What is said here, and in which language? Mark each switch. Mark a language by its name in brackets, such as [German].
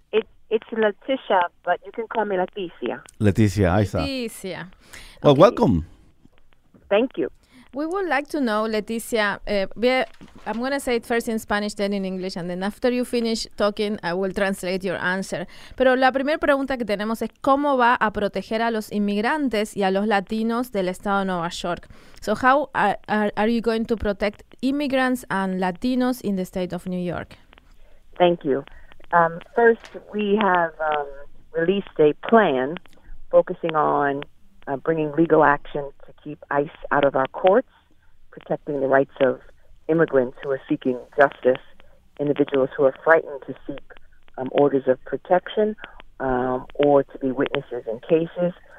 [English] It's Letitia, but you can call me Leticia. [Spanish] Leticia, ahí está. Leticia. [English] Well, okay. Welcome. Thank you. We would like to know, Leticia, I'm going to say it first in Spanish, then in English, and then after you finish talking, I will translate your answer. [Spanish] Pero la primera pregunta que tenemos es, ¿cómo va a proteger a los inmigrantes y a los latinos del estado de Nueva York? [English] So how are you going to protect immigrants and Latinos in the state of New York? Thank you. First, we have released a plan focusing on bringing legal action to keep ICE out of our courts, protecting the rights of immigrants who are seeking justice, individuals who are frightened to seek orders of protection or to be witnesses in cases.